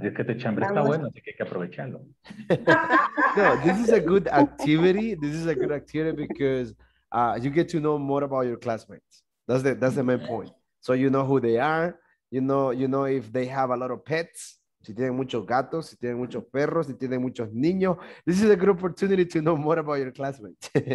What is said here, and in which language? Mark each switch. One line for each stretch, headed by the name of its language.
Spanish: Es que este chambre está bueno, así que hay que aprovecharlo.
English: No, this is a good activity. This is a good activity because you get to know more about your classmates. That's the main point. So you know who they are. You know if they have a lot of pets.
Spanish: Si tienen muchos gatos, si tienen muchos perros, si tienen muchos niños.
English: This is a good opportunity to know more about your classmates.